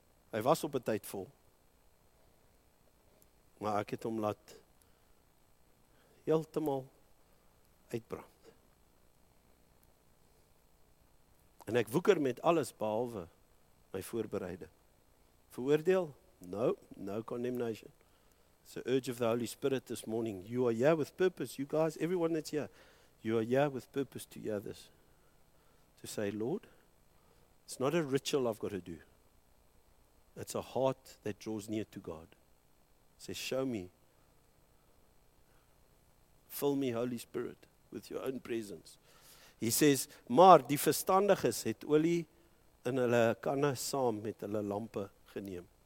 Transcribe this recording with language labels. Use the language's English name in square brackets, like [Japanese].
[Afrikaans] Hy was op een tijd vol, maar ek het hom laat heeltemal uitbrand. En ek woeker met alles behalwe my voorbereide. Veroordeel? [English] No, no condemnation. It's the urge of the Holy Spirit this morning. You are here with purpose. You guys, everyone that's here, you are here with purpose to hear this. To say, Lord, it's not a ritual I've got to do. It's a heart that draws near to God. It says, show me. Fill me, Holy Spirit, with your own presence. He says, [Afrikaans] maar die verstandiges het olie in hulle kanne saam met hulle lampe geneem.